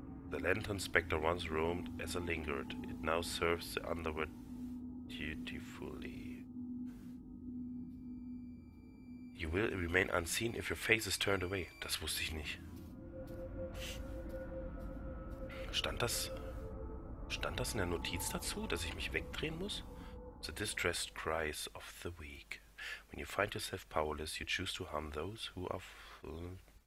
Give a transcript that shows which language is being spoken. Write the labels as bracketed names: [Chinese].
[English] The lantern specter once roamed as a lingered. It now serves the underworld dutifully. You will remain unseen if your face is turned away. [German] Das wusste ich nicht. Stand das in der Notiz dazu, dass ich mich wegdrehen muss? [English] The distressed cries of the weak. When you find yourself powerless, you choose to harm those who are full.